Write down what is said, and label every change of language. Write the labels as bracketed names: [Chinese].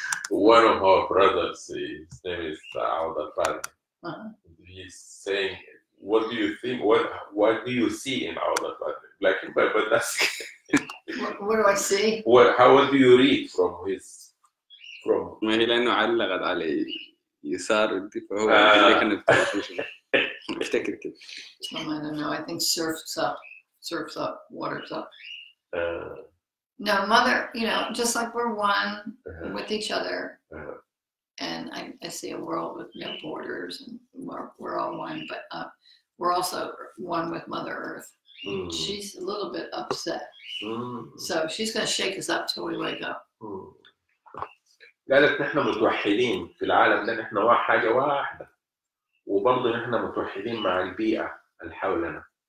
[English] One of our brothers, his name is Albert Pan. He's saying, "What do you think? What do you see in Albert Pan?" Like, but that's. What do I see? What? How? What do you read from his? From. [Arabic] ما هي لأنه علقت على يسار الدفاع هو اللي كان يفتكر كده. [English] I don't know. I think surfs up, surfs up, waters up. No, mother, you know, just like we're one with each other, and I see a world with no borders, and we're all one, but we're also one with Mother Earth. She's a little bit upset, so she's going to shake us up till we wake up. [Arabic] قالت نحن متوحدين في العالم ده نحن حاجة واحدة وبرضه نحن متوحدين مع البيئة اللي حولنا